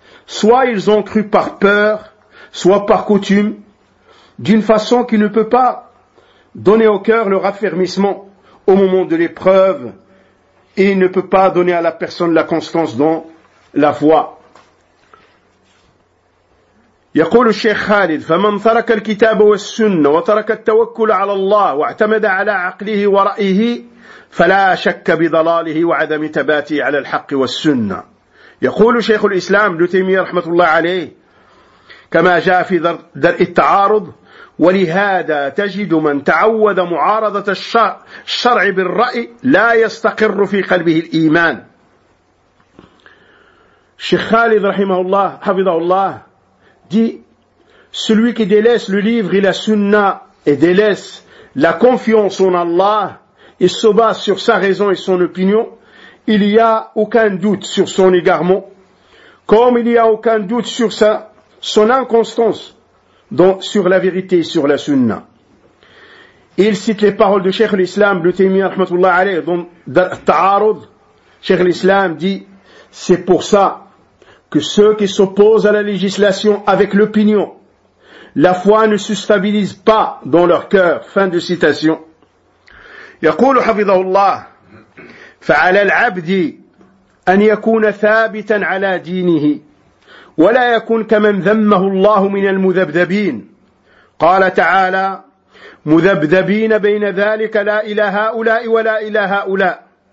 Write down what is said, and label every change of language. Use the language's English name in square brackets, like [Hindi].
[French] Soit ils ont cru par peur, soit par coutume, d'une façon qui ne peut pas donner au cœur le raffermissement au moment de l'épreuve et ne peut pas donner à la personne la constance dans la foi. [Arabic] يقول الشيخ خالد فمن ترك الكتاب والسنة وترك التوكل على الله واعتمد على عقله ورأيه فلا شك بضلاله وعدم ثباته على الحق والسنة. يقول شيخ الإسلام ابن تيمية رحمة الله عليه كما جاء في درء التعارض ولهذا تجد من تعود معارضة الشرع بالرأي لا يستقر في قلبه الإيمان. شيخ خالد رحمه الله حفظه الله [French] dit celui qui délaisse le livre et la sunna et délaisse la confiance en Allah et se base sur sa raison et son opinion, il n'y a aucun doute sur son égarement comme il n'y a aucun doute sur son inconstance donc sur la vérité et sur la sunna. Il cite les paroles de Cheikh l'Islam, le Taymiyyah rahmatullah alayh, dans Ta'arud. Cheikh l'Islam dit, c'est pour ça que ceux qui s'opposent à la législation avec l'opinion, la foi ne se stabilise pas dans leur cœur. Fin de citation. [Arabic] يقول حفظه الله فعلى العبد أن يكون ثابتا على دينه ولا يكون كمن ذمه الله من المذبذبين. قال تعالى مذبذبين بين ذلك لا إلى هؤلاء ولا إلى هؤلاء